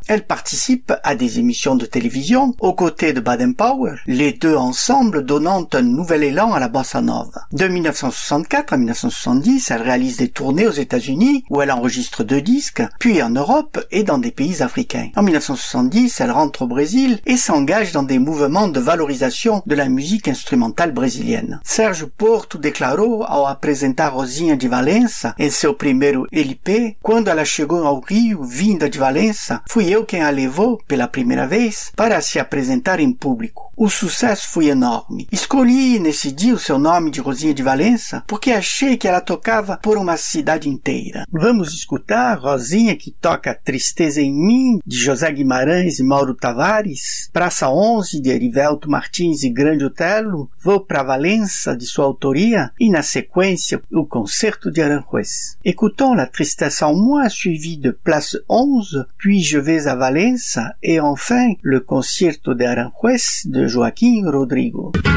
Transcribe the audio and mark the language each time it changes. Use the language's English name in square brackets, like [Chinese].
[French] Elle participe à des émissions de télévision aux côtés de Baden Powell, les deux ensemble donnant un nouvel élan à la bossa nova. De 1964 à 1970, elle réalise des tournées aux États-Unis, où elle enregistre deux disques, puis en Europe et dans des pays africains. En 1970, elle rentre au Brésil et s'engage dans des mouvements de valorisation de la musique instrumentale brésilienne. [Portuguese] Serge Porto declarou ao apresentar Rosinha de Valença em seu primeiro LP: quando ela chegou ao Rio, vinda de Valença, fui eu quem a levou pela primeira vez para se apresentar em público. O sucesso foi enorme. Escolhi nesse dia o seu nome de Rosinha de Valença porque achei que ela tocava por uma cidade inteira. Vamos escutar Rosinha, que toca Tristeza em Mim, de José Guimarães e Mauro Tavares, Praça 11, de Erivelto Martins e Grande Otelo, Vou pra Valença, de sua autoria, e na sequência, o Concerto de Aranjuez. [French] Écoutons La Tristesse en Moi, suivi de Place 11, Puis Je vais à Valença, et enfin, Le Concerto de Aranjuez, de Joaquim Rodrigo.